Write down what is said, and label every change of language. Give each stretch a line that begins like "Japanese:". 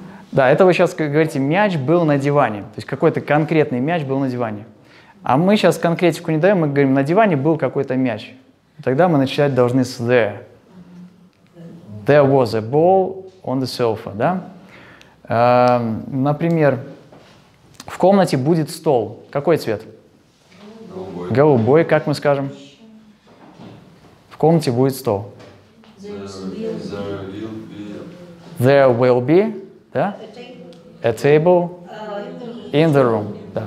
Russian: Да, это вы сейчас говорите, мяч был на диване. То есть какой-то конкретный мяч был на диване. А мы сейчас конкретику не даем, мы говорим, на диване был какой-то мяч. Тогда мы начинать должны с there.
English: There was a ball on the sofa, да?
Russian: Например, в комнате будет стол. Какой цвет? Голубой, как мы скажем? В комнате будет стол.
English: There will be да? A table in the room. Да.